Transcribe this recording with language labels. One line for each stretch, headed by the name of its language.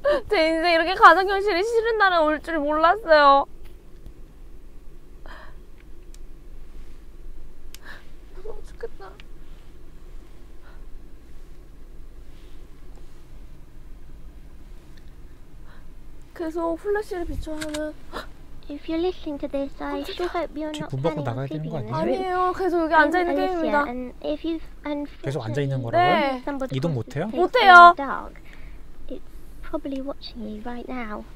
Korean: 제 인생 이렇게 가상현실이 싫은 날은 올 줄 몰랐어요. 계속 플래시를 비춰하는
English: If you listen to this, I still hope you're not planning to be in the movie.
Korean: 아니에요, 계속 여기 앉아 있는 게임입니다. 계속 앉아 있는 거라고요? 네. 이동 못해요? 못해요.
English: It's probably watching you right now.